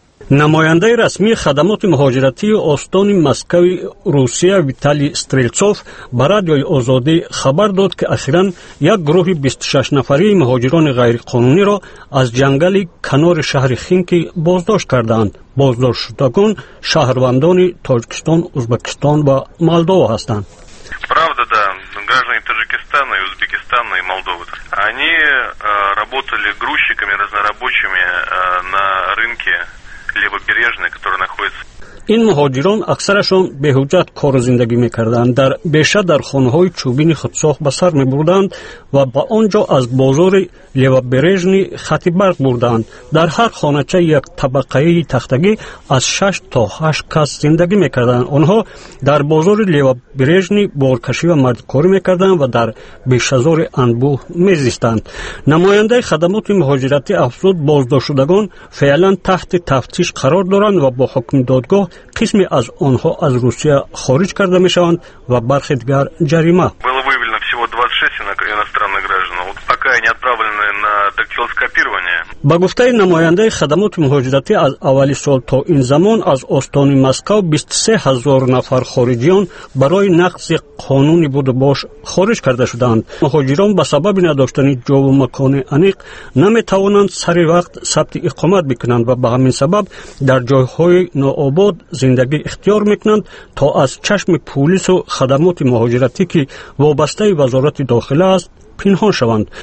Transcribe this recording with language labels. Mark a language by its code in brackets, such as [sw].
[fa] نماینده رسمی خدمات مهاجرتی استان مسکو روسیه ویتالی استریلچوف به رادیو آزادی خبر داد که اخیراً یک گروه 26 نفری مهاجران غیرقانونی را از جنگل کنار شهر خینکی بازداشت کردند. بازداشت شدگان شهروندان تاجیکستان، ازبکستان و مولدو هستند. [ru] Правда, да. Граждане Таджикистана и Узбекистана и Молдовы. Они работали грузчиками разнорабочими на рынке Левобережной, который находится. [fa] این مهاجران اکثرشان به حجت کار زندگی میکردند، در بیشه در خانهای چوبین خودساخت بسر میبردند و با آنجا از بازار لیوبرژنی خطی برق بردند. در هر خانچه یک طبقه تختگی از 6 تا 8 کس زندگی میکردند. آنها در بازار لیوبرژنی بارکشی و مردکاری میکردند و در بیشهزار انبوه میزیستند. نماینده خدمات مهاجرتی افزود بازداشت شدگان فعلا تحت تفتیش قرار دارند و با حکم دادگاه قسمی از آنها از روسیه خارج کرده می شوند و برخی دیگر جریمه. [ru] всего 26 иностранных граждан, вот пока они отправлены на дактилоскопирование. [tg] Ба гуфтаи намояндаи хадамоти муҳоҷирати аз аввали сол то ин замон аз остони Москва 23000 нафар хориҷиён барои нақзи қонуни будубош хориҷ карда шуданд. Муҳоҷирон ба сабаби надоштани ҷову макони аниқ наметавонанд сари вақт сабти иқомат бикунанд ва ба ҳамин сабаб дар ҷойҳои нообод зиндагӣ ихтиёр мекунанд то аз чашми пулису хадамоти муҳоҷиратӣ ки вобастаи вазорати дохила аст пинҳон шаванд.